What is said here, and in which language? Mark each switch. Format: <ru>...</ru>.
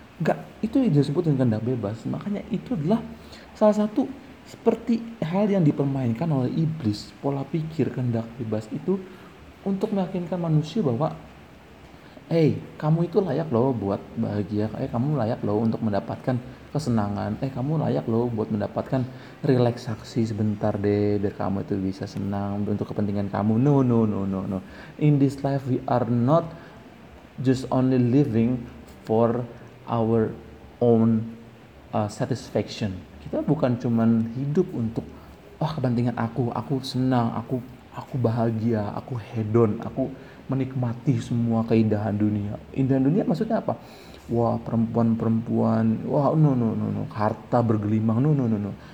<id>Enggak, itu yang disebutin kehendak bebas. Makanya itu adalah salah satu seperti hal yang dipermainkan oleh iblis, pola pikir kehendak bebas itu untuk meyakinkan manusia bahwa kamu itu layak loh buat bahagia, kamu layak loh untuk mendapatkan kesenangan, kamu layak loh buat mendapatkan relaksasi sebentar deh biar kamu itu bisa senang untuk kepentingan kamu.</id> <en>No. In this life we are not just only living for our own satisfaction.</en> <id>Kita bukan cuman hidup untuk kepentingan aku senang, aku bahagia, aku hedon, aku menikmati semua keindahan dunia. Indahan dunia maksudnya apa? Wah, perempuan-perempuan, wah no, harta bergelimang, no.</id>